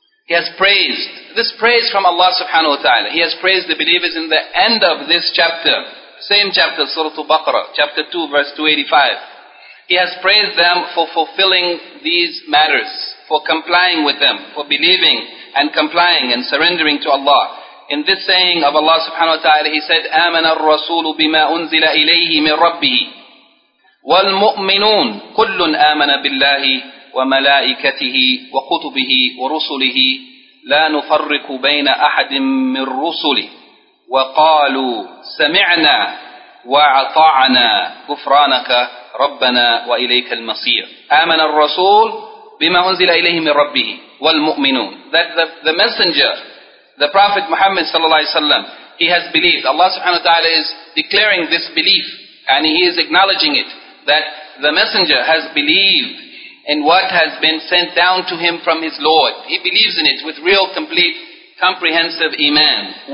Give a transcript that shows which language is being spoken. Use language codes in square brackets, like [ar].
[en] He has praised, this praise from Allah subhanahu wa ta'ala, He has praised the believers in the end of this chapter, same chapter, Surah Al-Baqarah, chapter 2, verse 285. He has praised them for fulfilling these matters, for complying with them, for believing and complying and surrendering to Allah. [ar] In this saying of Allah subhanahu wa ta'ala, [en] He said, [ar] آمَنَ الرَّسُولُ بِمَا أُنزِلَ إِلَيْهِ مِنْ رَبِّهِ والمؤمنون كل آمن بالله وملائكته وكتبه ورسله لا نفرق بين أحد من رسله وقالوا سمعنا وأطعنا غفرانك ربنا وإليك المصير. آمن الرسول بما أنزل إليه من ربه والمؤمنون. [en] That the messenger, the Prophet Muhammad [ar] صلى الله عليه وسلم, [en] he has believed. Allah subhanahu wa ta'ala is declaring this belief and he is acknowledging it, that the messenger has believed in what has been sent down to him from his Lord. He believes in it with real, complete, comprehensive iman.